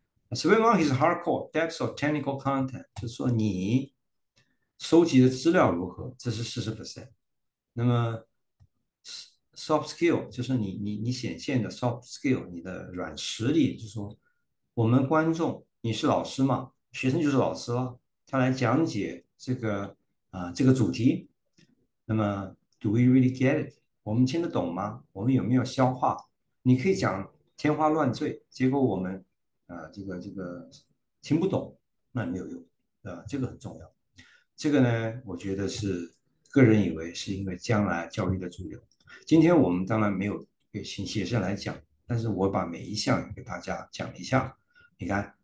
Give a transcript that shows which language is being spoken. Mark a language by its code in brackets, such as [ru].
[zh] SurveyMonkey 是 hardcore depth of technical content，就是说你收集的资料如何，这是40%。那么 soft skill 就是你显现的 soft skill，你的软实力，就是说我们观众，你是老师嘛，学生就是老师了，他来讲解这个主题。 [en] 那么 do we really get it？ [zh] 我们听得懂吗？我们有没有消化？你可以讲天花乱坠，结果我们。这个听不懂，那没有用，这个很重要。这个呢，我觉得是个人以为是因为将来教育的主流。今天我们当然没有给请学生来讲，但是我把每一项给大家讲一下。你看，